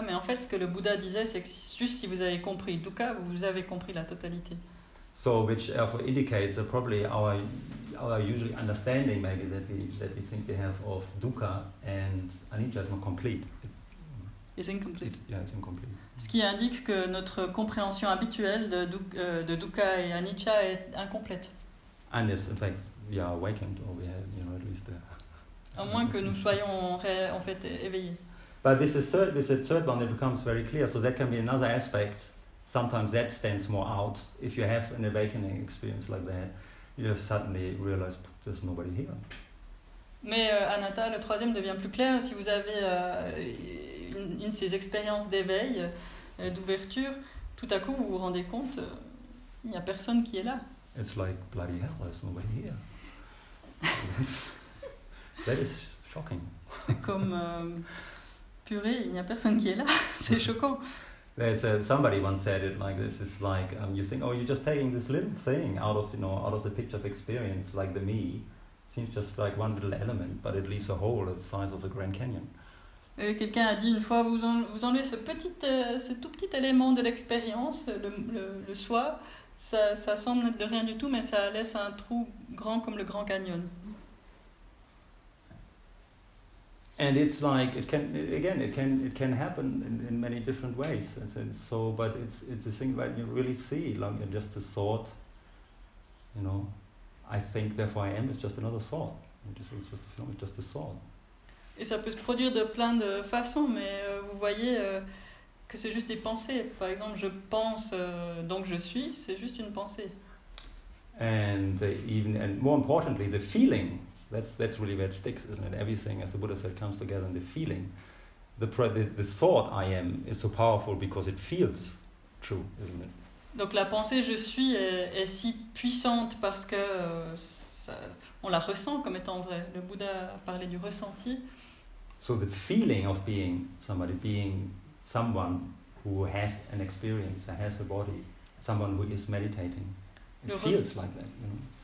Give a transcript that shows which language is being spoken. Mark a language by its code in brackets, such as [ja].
[fr] Mais en fait, ce que le Bouddha disait, c'est que juste si vous avez compris dukkha, vous avez compris la totalité. [en] So, which indicates that probably our usually understanding maybe that we think we have of dukkha and anicca is not complete. It's incomplete. [fr] Ce qui indique que notre compréhension habituelle de dukkha et anicca est incomplète. [en] And yes, in fact. We are awakened, or we have, you know, at least. [fr] À moins que nous soyons en fait éveillés. [en] But this third one, it becomes very clear. So that can be another aspect. Sometimes that stands more out. If you have an awakening experience like that, you just suddenly realize there's nobody here. [fr] Mais anatta, le troisième devient plus clair. Si vous avez une de ces expériences d'éveil, d'ouverture, tout à coup vous vous rendez compte, il n'y a personne qui est là. [en] It's like bloody hell, there's nobody here. That is shocking. [fr] C'est comme purée, il n'y a personne qui est là. C'est choquant. [en] That's somebody once said it like this. It's like you think, oh, you're just taking this little thing out of, you know, out of the picture of experience, like the me. It seems just like one little element, but it leaves a hole the size of the Grand Canyon. [fr] Quelqu'un a dit une fois, vous enlevez ce tout petit élément de l'expérience, le soi. Ça semble être de rien du tout, mais ça laisse un trou grand comme le Grand Canyon. [en] And it's like it can again, it can happen in many different ways. And so, but it's a thing that you really see, like just a thought. You know, I think therefore I am. It's just another thought. It's just a film. It's just a thought. [fr] Et ça peut se produire de plein de façons, mais vous voyez. que c'est juste des pensées. Par exemple, je pense, donc je suis, c'est juste une pensée. [en] And even and more importantly, the feeling. That's really where it sticks, isn't it? Everything, as the Buddha said, comes together in the feeling. The thought I am is so powerful because it feels true, isn't it? [fr] Donc la pensée je suis est si puissante parce que ça, on la ressent comme étant vrai. Le Bouddha a parlé du ressenti. [en] So the feeling of being somebody, being someone who has an experience, has a body, someone who is meditating, feels like that, you know?